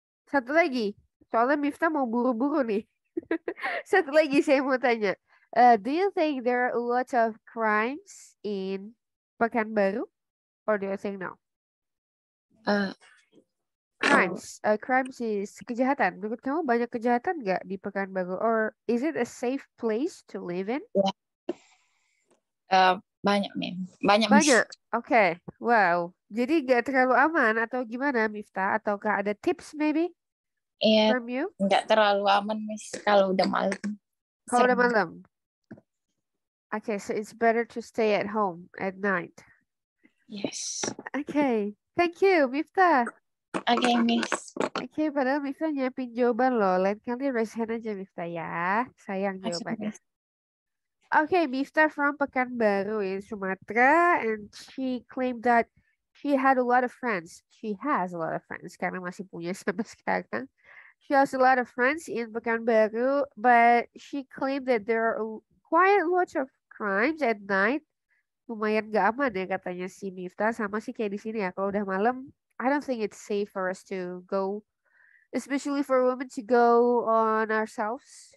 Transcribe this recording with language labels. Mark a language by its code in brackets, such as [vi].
[id] Satu lagi. Soalnya Miftah mau buru-buru nih. Satu lagi saya mau tanya. [en] Do you think there are a lot of crimes in Pekanbaru, or do you think no? Crimes is [id] kejahatan. Menurut kamu banyak kejahatan nggak di [en] Pekanbaru, or is it a safe place to live in? [id] Banyak. [en] Okay, wow. [id] Jadi nggak terlalu aman atau gimana, Miftah? Ataukah ada tips maybe? [en] Yeah, from you? [id] Nggak terlalu aman, Miss, kalau udah malam. Kalau udah malam. [en] Okay, so it's better to stay at home at night. Yes. Okay, thank you, Miftah. Okay, Miss. [id] Okay, padahal Miftah nyiapin jawaban loh. Lain kali [en] raise hand [id] aja, Miftah, ya. Sayang jawabannya. [en] Okay, Miftah from Pekanbaru in Sumatra, and she claimed that she had a lot of friends. She has a lot of friends. [id] Karena masih punya sampai sekarang. [en] She has a lot of friends in Pekanbaru, but she claimed that there are quite a lot of crimes at night. [id] Lumayan gak aman ya katanya si Miftah. Sama sih kayak di sini ya. Kalau udah malam, [en] I don't think it's safe for us to go, especially for women to go on ourselves.